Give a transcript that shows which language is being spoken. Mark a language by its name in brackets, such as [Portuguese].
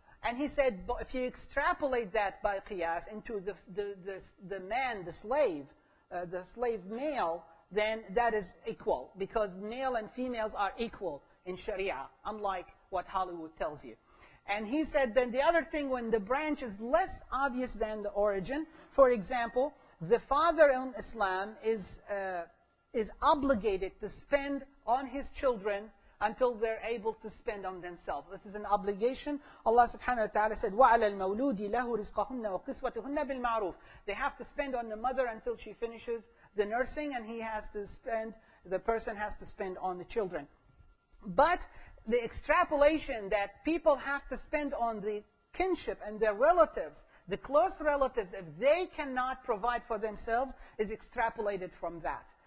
[English] And he said, if you extrapolate that by qiyas into the man, the slave male, then that is equal, because male and females are equal in Sharia, unlike what Hollywood tells you. And he said then the other thing, when the branch is less obvious than the origin, for example, the father in Islam is obligated to spend on his children until they're able to spend on themselves. This is an obligation. [Arabic] Allah subhanahu wa ta'ala said, وَعَلَى الْمَوْلُودِ لَهُ رِزْقَهُنَّ وَقِسْوَتُهُنَّ بِالْمَعْرُوفِ. [English] They have to spend on the mother until she finishes the nursing, and he has to spend, the person has to spend on the children. But the extrapolation that people have to spend on the kinship and their relatives, the close relatives, if they cannot provide for themselves, is extrapolated from that.